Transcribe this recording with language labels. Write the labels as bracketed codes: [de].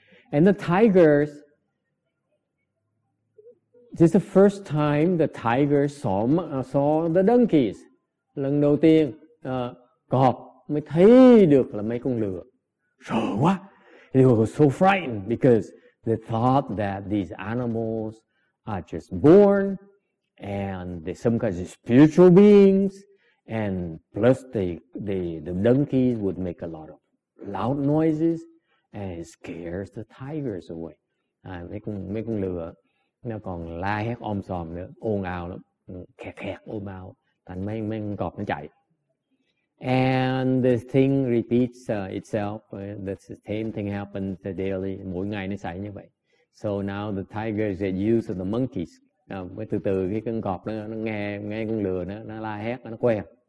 [en] And the tigers, this is the first time the tigers saw the donkeys. [vi] Lần đầu tiên, cọp mới thấy được là mấy con lừa. Sợ quá. [en] They were so frightened because they thought that these animals are just born. And they some kinds of spiritual beings, and plus the donkeys would make a lot of loud noises, and it scares the tigers away. [vi] Mấy con lừa nó còn la hét om sòm nữa, ồn ào lắm, khẹt khẹt ồn ào, thành mấy con cọp nó chạy. [en] And the thing repeats itself. The same thing happens daily. [vi] Mỗi ngày nó xảy như vậy. [en] So now the tigers get used to the monkeys. [vi] Mới từ từ cái con cọp nó nghe con lừa nó la hét nó quen.